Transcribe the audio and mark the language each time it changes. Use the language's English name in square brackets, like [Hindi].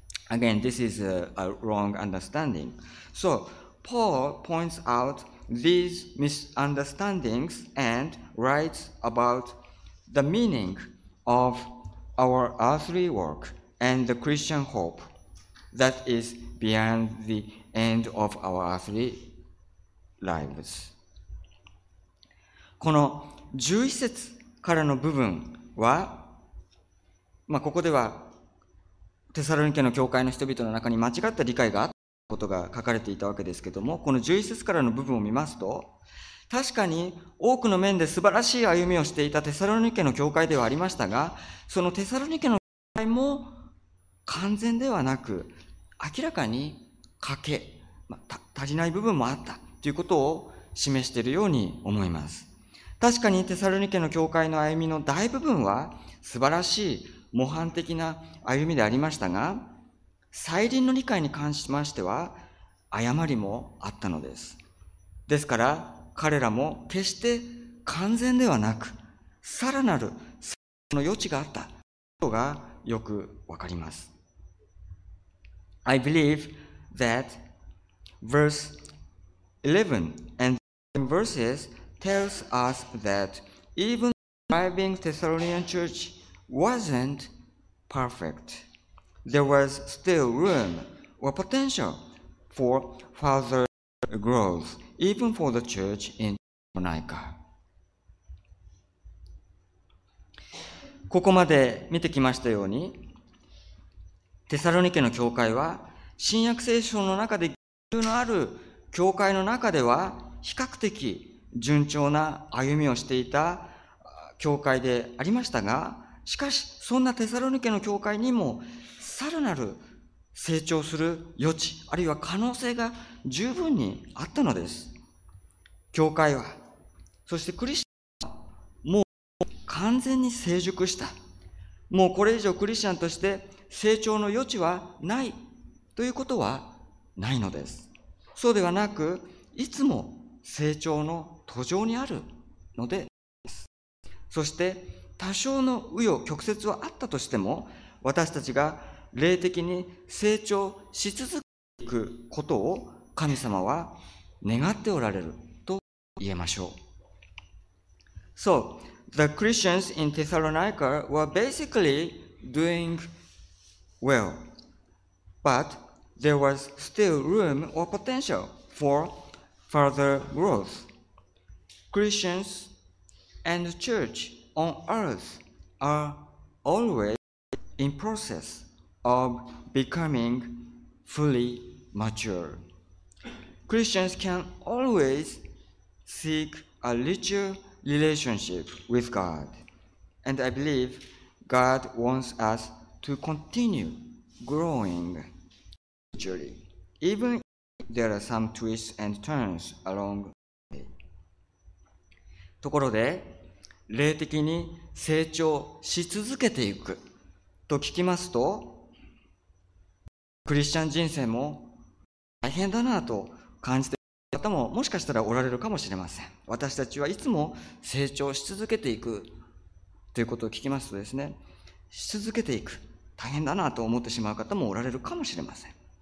[English] Again, this is a wrong understanding. So, Paul points out these misunderstandings and writes about the meaning of our earthly work and the Christian hope that is beyond the end of our earthly lives. [Japanese] この11節からの部分は、まあ、ここではテサロニケの教会の人々の中に間違った理解があったことが書かれていたわけですけども、この11節からの部分を見ますと、確かに多くの面で素晴らしい歩みをしていたテサロニケの教会ではありましたが、そのテサロニケの教会も完全ではなく、明らかに欠け、まあ、足りない部分もあったということを示しているように思います。確かにテサロニケの教会の歩みの大部分は素晴らしい模範的な歩みでありましたが、再臨の理解に関しましては誤りもあったのです。ですから彼らも決して完全ではなく、さらなる成長の余地があったことがよくわかります。 [English] I believe that verse 11 and verses tells us that even thriving Thessalonian churchWasn't perfect. There was still room or potential for further growth, even for the church in Thessalonica. [Japanese] ここまで見てきましたように、テサロニケの教会は新約聖書の中で言及のある教会の中では比較的順調な歩みをしていた教会でありましたが、しかしそんなテサロニケの教会にもさらなる成長する余地、あるいは可能性が十分にあったのです。教会は、そしてクリスチャンはもう完全に成熟した、もうこれ以上クリスチャンとして成長の余地はないということはないのです。そうではなく、いつも成長の途上にあるのです。そして多少の紆余曲折はあったとしても、私たちが霊的に成長し続けていくことを神様は願っておられると言えましょう。 [English] So, the Christians in Thessalonica were basically doing well, but there was still room or potential for further growth. Christians and churchOn earth are always in process of becoming fully mature. Christians can always seek a richer relationship with God. And I believe God wants us to continue growing gradually, even if there are some twists and turns along the way. [Japanese] ところで、霊的に成長し続けていくと聞きますと、クリスチャン人生も大変だなと感じている方ももしかしたらおられるかもしれません。私たちはいつも成長し続けていくということを聞きますとですね、し続けていく、大変だなと思ってしまう方もおられるかもしれません。